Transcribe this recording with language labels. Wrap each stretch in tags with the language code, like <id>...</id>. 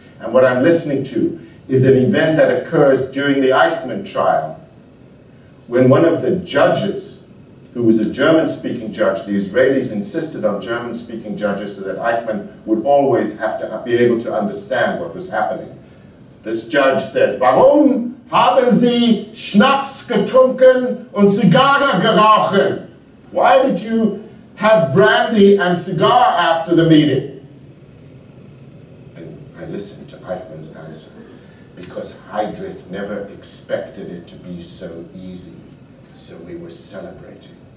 <en>And what I'm listening to is an event that occurs during the Eichmann trial when one of the judges, who was a German-speaking judge, the Israelis insisted on German-speaking judges so that Eichmann would always have to be able to understand what was happening.</en> <de>This judge says, "Warum haben Sie Schnaps getrunken und Zigarre gerauchen?</de> <en>Why did you have brandy and cigar after the meeting?" And I listened to Eichmann's answer, because Heydrich never expected it to be so easy, so we were celebrating.</en>